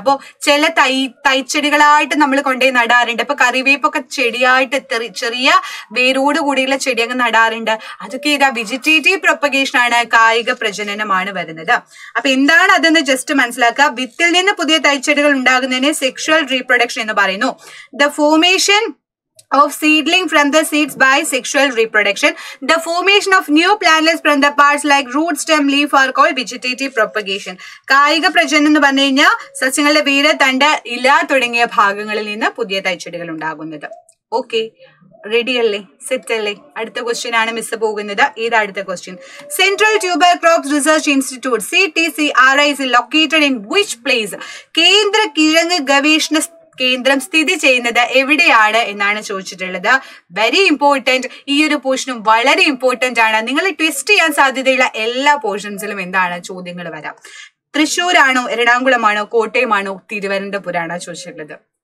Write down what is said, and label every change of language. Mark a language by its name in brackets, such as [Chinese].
[Malayalam] അപ്പോ ചില തൈച്ചെടികളായിട്ട് നമ്മൾ കൊണ്ടുപോയി നടാറുണ്ട്. ഇപ്പൊ കറിവേപ്പൊക്കെ ചെടിയായിട്ട് ചെറിയ വേരോട് കൂടിയുള്ള ചെടി അങ്ങ് നടാറുണ്ട്. അതൊക്കെ ഏതാ, വെജിറ്റേറ്റീവ് പ്രൊപ്പഗേഷൻ ആണ്, കായിക പ്രജനനമാണ് വരുന്നത്. അപ്പൊ എന്താണ് അതെന്ന് ജസ്റ്റ് മനസ്സിലാക്കുക. വിത്തിൽ നിന്ന് പുതിയ തൈച്ചെടികൾ ഉണ്ടാകുന്നതിനെ സെക്ഷുവൽ റീപ്രൊഡക്ഷൻ എന്ന് പറയുന്നു. [English] The formation of seedling from the seeds by sexual reproduction, the formation of new plantlets from the parts like root, stem, leaf are called vegetative propagation. [Malayalam] കായിക പ്രജനനം എന്ന് പറഞ്ഞു കഴിഞ്ഞാൽ സസ്യങ്ങളുടെ വേര്, തണ്ട്, ഇല തുടങ്ങിയ ഭാഗങ്ങളിൽ നിന്ന് പുതിയ തൈച്ചെടികൾ ഉണ്ടാകുന്നത്. ഓക്കെ, റെഡി അല്ലേ, സെറ്റ് അല്ലേ? അടുത്ത ക്വസ്റ്റ്യൻ ആണ് മിസ് പോകുന്നത്. ഏതാ അടുത്ത question? [English] Central tuber crops research institute CTCRI is located in which place? [Malayalam] കേന്ദ്ര കിഴങ്ങ് ഗവേഷണ കേന്ദ്രം സ്ഥിതി ചെയ്യുന്നത് എവിടെയാണ് എന്നാണ് ചോദിച്ചിട്ടുള്ളത്. [English] very important, [Malayalam] ഈ ഒരു പോർഷനും വളരെ ഇമ്പോർട്ടൻ്റ് ആണ്. നിങ്ങൾ ട്വിസ്റ്റ് ചെയ്യാൻ സാധ്യതയുള്ള എല്ലാ പോർഷൻസിലും എന്താണ് ചോദ്യങ്ങൾ വരാം. തൃശ്ശൂരാണോ, എറണാകുളമാണോ, കോട്ടയമാണോ, തിരുവനന്തപുരമാണോ ചോദിച്ചിട്ടുള്ളത്.